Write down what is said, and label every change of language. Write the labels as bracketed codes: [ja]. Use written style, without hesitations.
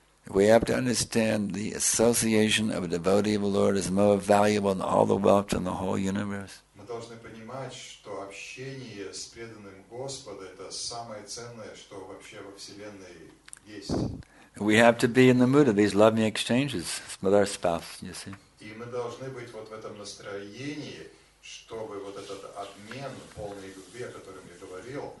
[en] We have to understand the association of a devotee of the Lord is more valuable than all the wealth in the whole universe. [ru] Мы должны понимать, что общение с преданным Господом это самое ценное, что вообще во вселенной есть. [en] We have to be in the mood of these loving exchanges with our spouse, you see. [ru] И мы должны быть вот в этом настроении, чтобы вот этот обмен полной любви, о котором я говорил,